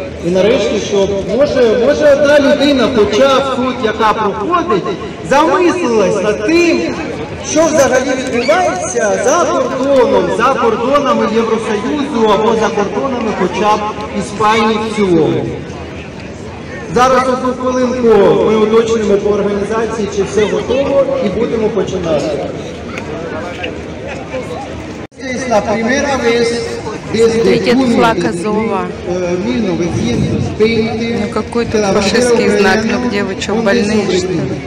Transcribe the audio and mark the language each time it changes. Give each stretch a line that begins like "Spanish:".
Ukrainian: І нарешті, щоб може одна людина, хоча б тут, яка проходить, замислилась над тим, що взагалі відбувається за кордоном, за кордонами Євросоюзу або за кордонами хоча б Іспанії в цілому. Зараз одну хвилинку ми уточнимо по організації, чи все готово, і будемо починати.
Spanish: La primera vez desde junio de 1920,
Russian: ну какой-то фашистский знак, но где вы что, больные что ли?